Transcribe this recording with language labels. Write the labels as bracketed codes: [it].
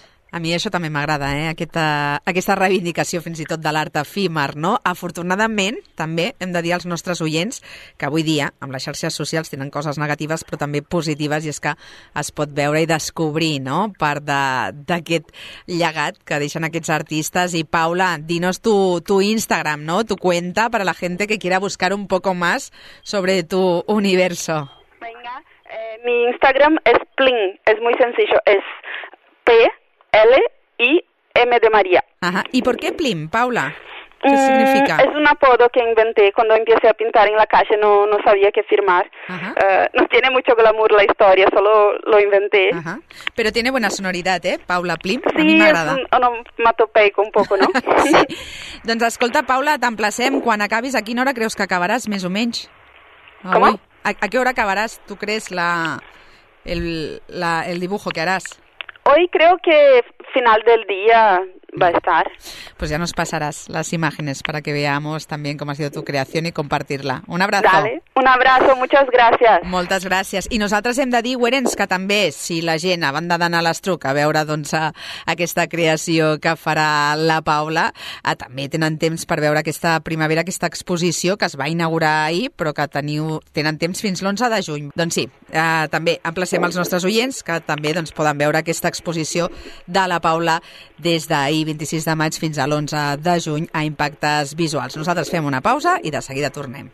[ca] A mi això també m'agrada, eh? Aquesta reivindicació fins i tot de l'art efímer, no? Afortunadament, també hem de dir als nostres oients que avui dia, amb les xarxes socials, tenen coses negatives, però també positives, i és que es pot veure i descobrir, no?, part d'aquest llegat que deixen aquests artistes. [es] I Paula, dinos tu Instagram, no?, tu cuenta, para la gente que quiera buscar un poco más sobre tu universo. Venga, mi Instagram es Plin, es muy sencillo, es P... L y M de María. Ajá. ¿Y por qué Plim, Paula? ¿Qué significa? Es un apodo que inventé cuando empecé a pintar en la calle, no sabía qué firmar. No tiene mucho glamour la historia, solo lo inventé. Ajá. Pero tiene buena sonoridad, ¿eh? Paula Plim, sí, a mí me agrada. Sí, es un onomatopeico un poco, ¿no? [ca] Sí. Doncs escolta, Paula, t'emplacem. Quan acabis, a quina hora creus que acabaràs, més o menys? [es] ¿Cómo? ¿A qué hora acabaràs, tú crees, el dibujo que harás? Hoy creo que final del día va a estar. Pues ya nos pasarás las imágenes para que veamos también cómo ha sido tu creación y compartirla. Un abrazo. Dale, un abrazo, muchas gracias. [ca] Moltes gràcies. I nosaltres hem de dir, Werens, que també, si la gent, a banda d'anar a l'Estruc, a veure doncs, aquesta creació que farà la Paula, també tenen temps per veure aquesta primavera, aquesta exposició que es va inaugurar ahir, però que tenen temps fins l'11 de juny. Doncs sí, també emplacem els nostres oients que també doncs, poden veure aquesta exposició de la Paula des d'ahir, 26 de maig, fins a l'11 de juny a Impactes Visuals. Nosaltres fem una pausa i de seguida tornem.